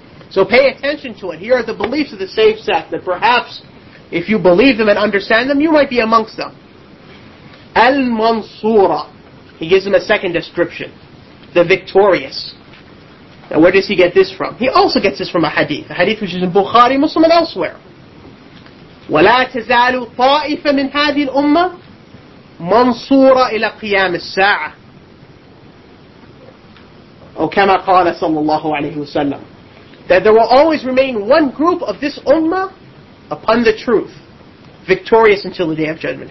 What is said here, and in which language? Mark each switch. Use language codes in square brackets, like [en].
[en] So pay attention to it. Here are the beliefs of the saved sect, that perhaps if you believe them and understand them, you might be amongst them. Al-Mansura. He gives them a second description. The victorious. Now where does he get this from? He also gets this from a hadith which is in Bukhari, Muslim, and elsewhere. [ar] وَلَا تَزَالُ طَائِفَ مِنْ هَذِي الْأُمَّةِ مَنْصُورَ إِلَى قِيَامِ السَّاعَةِ. أو كما قال صلى الله عليه وسلم. [en] that there will always remain one group of this ummah upon the truth, victorious until the day of judgment.